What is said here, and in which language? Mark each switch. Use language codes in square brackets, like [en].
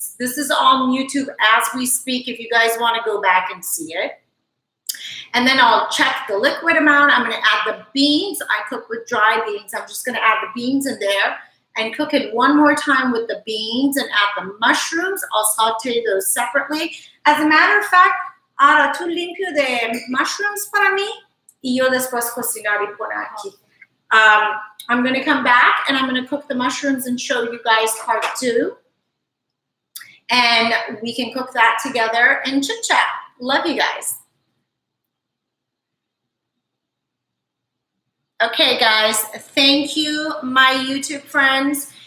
[en] This is on YouTube as we speak, if you guys want to go back and see it. And then I'll check the liquid amount. I'm going to add the beans. I cook with dry beans. I'm just going to add the beans in there and cook it one more time with the beans and add the mushrooms. I'll saute those separately. As a matter of fact, [es] ahora tú limpio de mushrooms para mí y yo después cocinar y poner aquí. [en] I'm going to come back and I'm going to cook the mushrooms and show you guys part two. And we can cook that together and chit chat. Love you guys. Okay, guys, thank you, my YouTube friends.